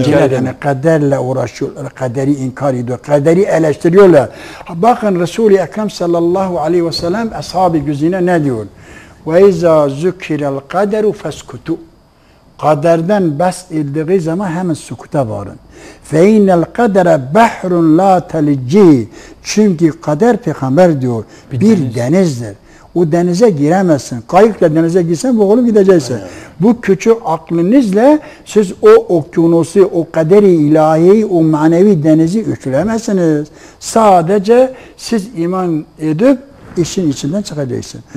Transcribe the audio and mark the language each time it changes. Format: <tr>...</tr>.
<tr>Yani kaderle uğraşıyorlar. Kaderi inkar ediyor. Kaderi eleştiriyorlar. Bakın Resul-i Ekrem sallallahu aleyhi ve sellem ashab-ı güzine ne diyor?</tr> <ar>Ve izâ zükirel kaderu feskutu.</ar> <tr>Kaderden bahsedildiği zaman hemen sükuta varın.</tr> <ar>فَاِنَّ الْقَدَرَ بَحْرٌ لَا تَلِجِّهِ</ar> <tr>Çünkü kader peygamber diyor. Bir denizdir. O denize giremezsin. Kayıkla denize girsen boğulup gideceksin. Evet. Bu küçük aklınızla siz o okyanusu, o kaderi ilahi, o manevi denizi üçülemezsiniz. Sadece siz iman edip işin içinden çıkacaksın.</tr>